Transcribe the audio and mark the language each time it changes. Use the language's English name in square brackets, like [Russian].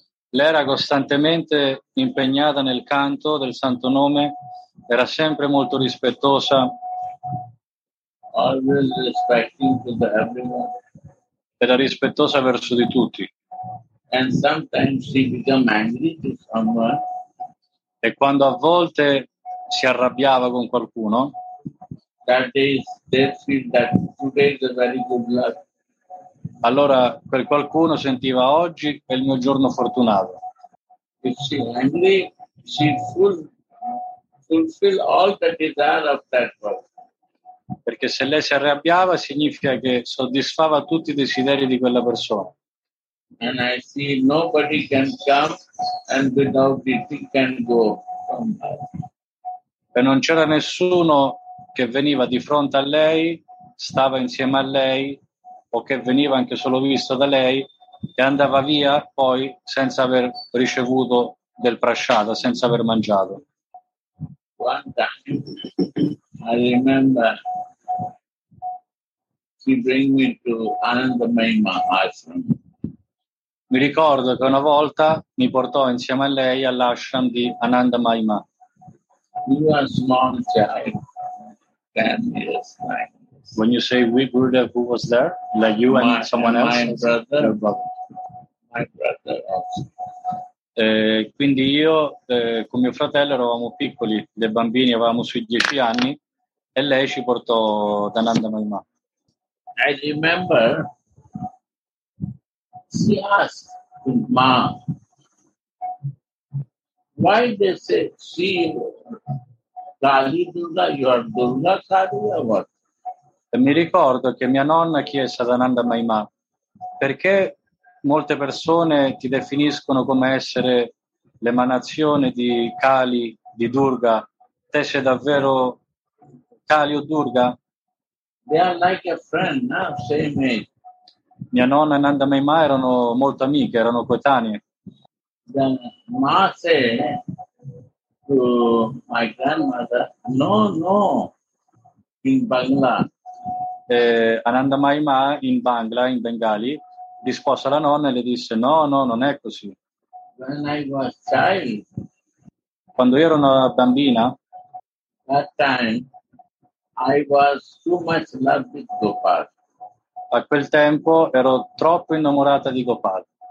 [Italian] Lei era costantemente impegnata nel canto del santo nome, era sempre molto rispettosa. [English] Always respecting to everyone. [Italian] Era rispettosa verso di tutti. [English] And sometimes she become angry to someone. [Italian] E quando a volte si arrabbiava con qualcuno, [English] that is, they feel that today is a very good luck. [Italian] Allora quel qualcuno sentiva oggi è il mio giorno fortunato. [English] If she angry, she fulfill all the desire of that person. [Italian] Perché se lei si arrabbiava significa che soddisfava tutti i desideri di quella persona. [English] And I see nobody can come and without it he can go. [Italian] E non c'era nessuno che veniva di fronte a lei, stava insieme a lei, o che veniva anche solo visto da lei, e andava via poi senza aver ricevuto del prasciada, senza aver mangiato. [English] One time I remember she bring me to Anandamayi Mahasram. [Italian] Mi ricordo che una volta mi portò insieme a lei all'ashram di Anandamayi Ma. [English] You are small child, 10 years, 9 years. When you say we, Buddha, who was there? Like you and someone else? My brother. [Italian] Quindi io con mio fratello eravamo piccoli, dei bambini, avevamo sui 10 anni, e lei ci portò da Anandamayi Ma. [English] I remember. She asked Ma, why they say she Kali Durga, you are Durga Kali or what? [Italian] E mi ricordo che mia nonna chiese ad Anandamayi Ma, perché molte persone ti definiscono come essere l'emanazione di Kali, di Durga? Te sei davvero Kali o Durga? [English] They are like a friend, no? Same age. [Italian] Mia nonna e Anandamayi Ma erano molto amiche, erano coetanee. [English] Ma say to my grandmother, no, in Bangla. [Italian] Anandamayi Ma in Bangla, in Bengali, rispose alla nonna e le disse, no, non è così. [English] When I was child. [Italian] Quando ero una bambina. [English] That time I was too much loved with Gopal. [Italian] A quel tempo ero troppo innamorata di Gopal.